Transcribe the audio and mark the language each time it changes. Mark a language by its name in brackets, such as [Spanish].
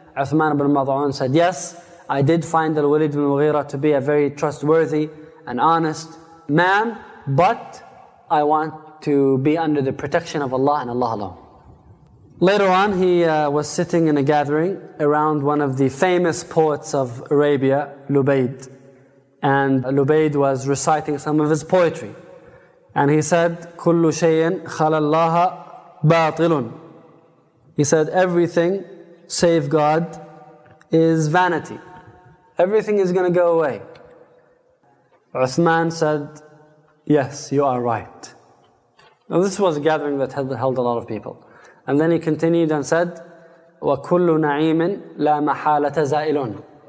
[English] Uthman bin Mad'un said, yes, I did find Al-Walid bin Mughira to be a very trustworthy and honest man, but I want to be under the protection of Allah and Allah alone. Later on, he was sitting in a gathering around one of the famous poets of Arabia, Lubayd. And Lubayd was reciting some of his poetry. And he said, [Arabic] كُلُّ شَيْءٍ خَلَى اللَّهَ بَاطِلٌ. [English] He said, everything save God is vanity. Everything is going to go away. Uthman said, yes, you are right. Now this was a gathering that held a lot of people. And then he continued and said, [Arabic] وَكُلُّ نَعِيمٍ لَا مَحَالَةَ زَائِلٌ.